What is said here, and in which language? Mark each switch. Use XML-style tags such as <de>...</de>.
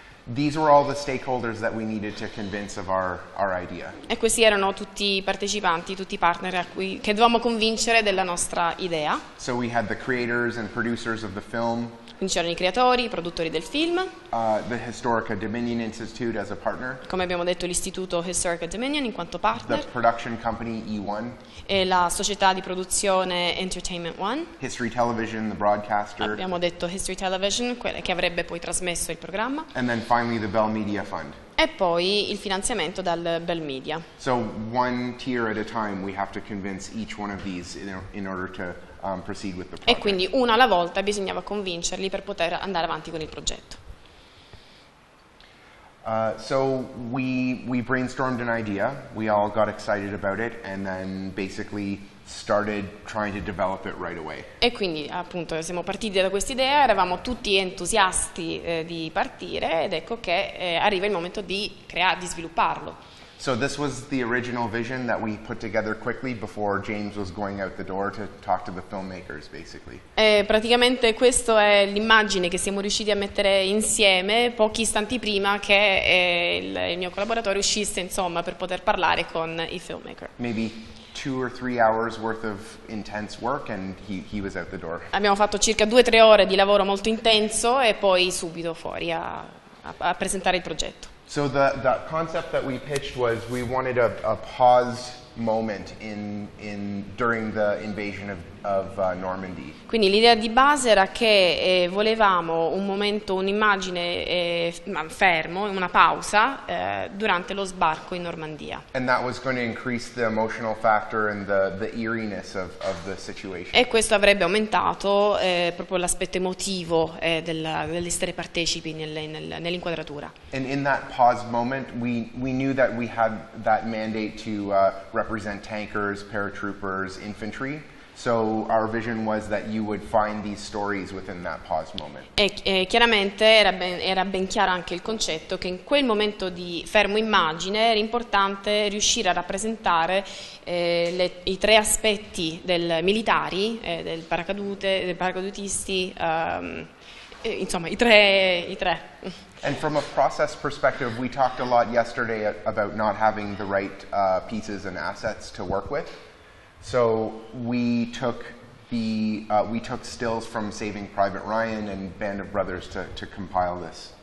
<en>These were all the stakeholders that we needed to convince of our idea.</en> <it>E questi erano tutti i partecipanti, tutti i partner a cui che dovevamo convincere della nostra idea.</it> <en>So we had the creators and producers of the film.</en> <it>Quindi c'erano i creatori, i produttori del film.</it> <en>The Historica Dominion Institute as a partner.</en> <it>Come abbiamo detto, l'istituto Historica Dominion in quanto partner.</it> <en>The production company E1.</en> <it>E la società di produzione Entertainment One.</it> <en>History Television, the broadcaster.</en> <it>Abbiamo detto History Television, quella che avrebbe poi trasmesso il programma.</it> <en>And then finally the Bell Media Fund.</en> <it>E poi il finanziamento dal Bell Media.</it> <en>So one tier at a time we have to convince each one of these in order to proceed with the project.</en> <it>E quindi una alla volta bisognava convincerli per poter andare avanti con il progetto.</it> <en>So we brainstormed an idea, we all got excited about it and then basically started trying to develop it right away.</en> <it>E quindi appunto siamo partiti da questa idea, eravamo tutti entusiasti di partire ed ecco che arriva il momento di svilupparlo.</it> <en>So this was the original vision that we put together quickly before James was going out the door to talk to the filmmakers, basically.</en> <it>Praticamente questo è l'immagine che siamo riusciti a mettere insieme pochi istanti prima che il mio collaboratore uscisse, insomma, per poter parlare con i filmmaker.</it> <en>Maybe 2 or 3 hours worth of intense work and he was out the door.</en> <it>Abbiamo fatto circa 2 o 3 ore di lavoro molto intenso e poi subito fuori a presentare il progetto.</it> <en>So the concept that we pitched was we wanted a pause moment in during the invasion of Normandy.</en> <it>Quindi l'idea di base era che volevamo un momento, un'immagine fermo, una pausa durante lo sbarco in Normandia.</it> <en>And that was going to increase the emotional factor and the eeriness of the situation.</en> <it>E questo avrebbe aumentato proprio l'aspetto emotivo dell'essere partecipi nell'inquadratura.</it> <en>And in that pause moment, we knew that we had that mandate to represent tankers, paratroopers, infantry. So our vision was that you would find these stories within that pause moment.</en> <it>E chiaramente era ben chiaro anche il concetto che in quel momento di fermo immagine era importante riuscire a rappresentare i tre aspetti del militari, del paracadute, del paracadutisti, insomma i tre.</it> <en>And from a process perspective, we talked a lot yesterday about not having the right pieces and assets to work with. So we took we took stills from Saving Private Ryan and Band of Brothers to compile this.</en>